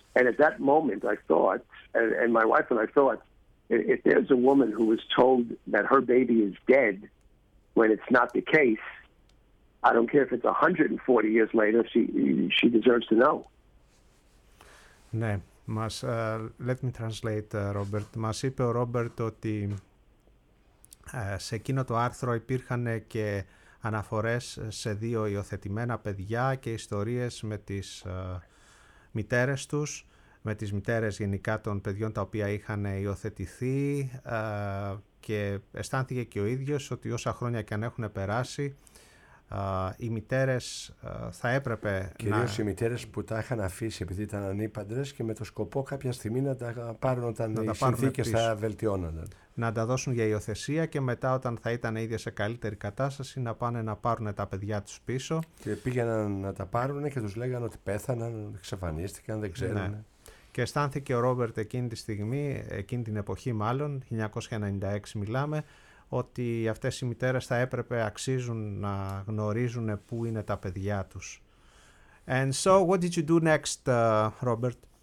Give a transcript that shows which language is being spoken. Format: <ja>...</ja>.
<en>And at that moment, I thought, and my wife and I thought, if there's a woman who was told that her baby is dead when it's not the case, I don't care if it's 140 years later, she deserves to know. Ναι, μας, let me translate, Robert.</en> <el>Μας είπε ο Robert ότι σε εκείνο το άρθρο υπήρχαν και αναφορές σε δύο υιοθετημένα παιδιά και ιστορίες με τις μητέρες τους, με τις μητέρες γενικά των παιδιών τα οποία είχαν υιοθετηθεί και αισθάνθηκε και ο ίδιος ότι όσα χρόνια και αν έχουν περάσει οι μητέρες θα έπρεπε κυρίως να... οι μητέρες που τα είχαν αφήσει επειδή ήταν ανήπαντρες και με το σκοπό κάποια στιγμή να τα πάρουν όταν να οι συνθήκες θα βελτιώνονταν. Να τα δώσουν για υιοθεσία και μετά όταν θα ήταν ίδια σε καλύτερη κατάσταση να πάνε να πάρουν τα παιδιά τους πίσω. Και πήγαιναν να τα πάρουν και τους λέγανε ότι πέθαναν, εξαφανίστηκαν, δεν ξέρουν. Ναι. Και αισθάνθηκε ο Ρόμπερτ εκείνη τη στιγμή, εκείνη την εποχή μάλλον, 1996 μιλάμε, ότι αυτές οι μητέρες θα έπρεπε αξίζουν να γνωρίζουν πού είναι τα παιδιά τους.</el> <en>And so, what did you do next, Robert?</en>